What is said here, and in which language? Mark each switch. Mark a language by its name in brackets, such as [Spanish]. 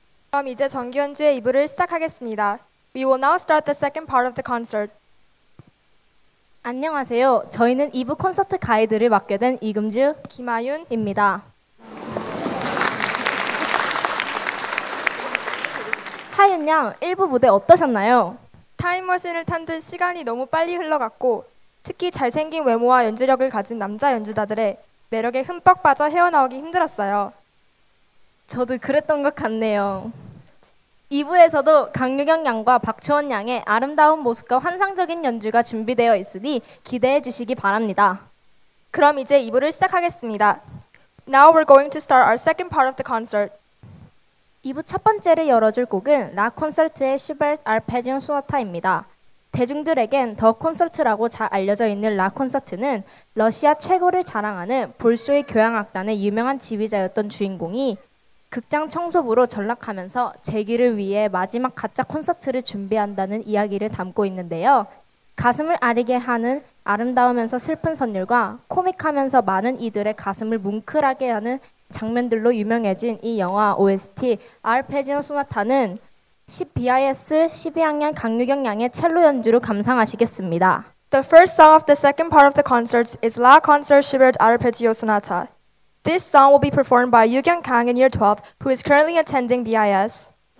[Korean] 그럼 이제 정규 연주의 2부를 시작하겠습니다. [English] We will now start the second part of the concert. [Korean] 안녕하세요. 저희는 2부 콘서트 가이드를 맡게 된 이금주, 김아윤입니다. 하윤 양, 1부 무대 어떠셨나요? 타임머신을 탄 듯 시간이 너무 빨리 흘러갔고 특히 잘생긴 외모와 연주력을 가진 남자 연주자들의 매력에 흠뻑 빠져 헤어나오기 힘들었어요. 저도 그랬던 것 같네요. 2부에서도 강유경 양과 박초원 양의 아름다운 모습과 환상적인 연주가 준비되어 있으니 기대해 주시기 바랍니다. 그럼 이제 2부를 시작하겠습니다. [English] Now we're going to start our second part of the concert. [Korean] 2부 첫 번째를 열어줄 곡은 라 콘서트의 슈베르트 아르페지온 소나타입니다. 대중들에겐 더 콘서트라고 잘 알려져 있는 라 콘서트는 러시아 최고를 자랑하는 볼쇼이 교향악단의 유명한 지휘자였던 주인공이 극장 청소부로 전락하면서 재기를 위해 마지막 가짜 콘서트를 준비한다는 이야기를 담고 있는데요. 가슴을 아리게 하는 아름다우면서 슬픈 선율과 코믹하면서 많은 이들의 가슴을 뭉클하게 하는 장면들로 유명해진 이 영화 OST 아르페지온 소나타는 CBIS 12학년 강유경 양의 첼로 연주로 감상하시겠습니다. [English] The first song of the second part of the concert is La Concert Schubert's Arpeggio Sonata. This song will be performed by Yugyeong Kang in year 12, who is currently attending BIS.